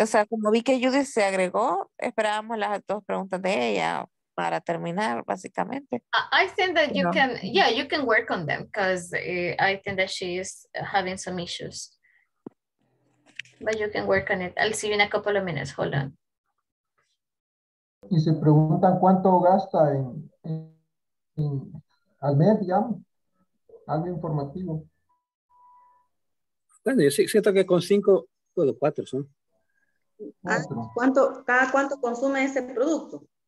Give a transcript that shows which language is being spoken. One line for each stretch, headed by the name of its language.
Spanish: O sea, como vi que Judy se agregó, esperábamos las dos preguntas de ella para terminar, básicamente.
English: I think that you can, yeah, you can work on them because I think that she is having some issues. But you can work on it. I'll see you in a couple of minutes. Hold on.
Spanish: Y se preguntan cuánto gasta en al mes, digamos, algo informativo. Bueno, yo siento que con cinco, bueno, cuatro son. ¿Cuánto, cada cuánto consume ese producto?